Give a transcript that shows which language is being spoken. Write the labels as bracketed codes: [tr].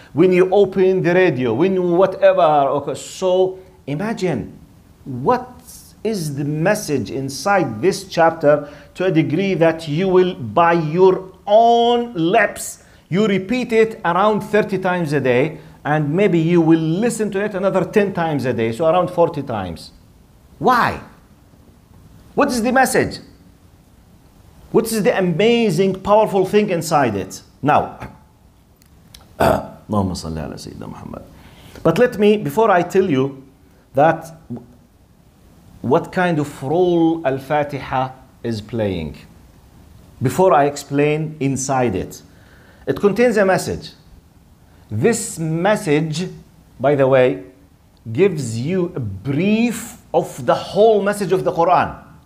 [en] When you open the radio, when whatever. Okay. So imagine, what is the message inside this chapter to a degree that you will, by your own lips, you repeat it around 30 times a day, and maybe you will listen to it another 10 times a day, so around 40 times. Why? What is the message? What is the amazing, powerful thing inside it? [ar] Now, اللهم صل على سيدنا محمد. [en] But let me, before I tell you that, what kind of role Al-Fatiha is playing. Before I explain inside it, it contains a message. This message, by the way, gives you a brief of the whole message of the Quran.